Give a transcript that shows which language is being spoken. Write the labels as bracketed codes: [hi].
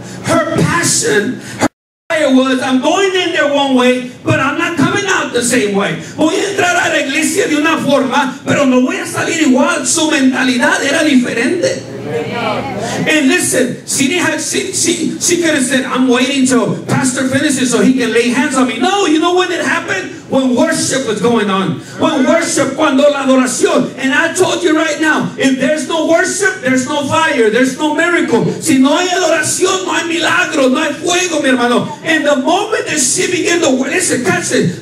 [en] Her passion, her desire was, I'm going in there one way, but I'm not coming out the same way. [es] Voy a entrar a la iglesia de una forma, pero no voy a salir igual. Su mentalidad era diferente. [en] And listen, she could have said, I'm waiting till pastor finishes so he can lay hands on me. No, you know when it happened? When worship was going on. When worship, [es] cuando la adoración. [en] And I told you right now, if there's no worship, there's no fire, there's no miracle. [es] Si no hay adoración, no hay milagro, no hay fuego, mi hermano. [en] And the moment that she began to worship, listen, catch it.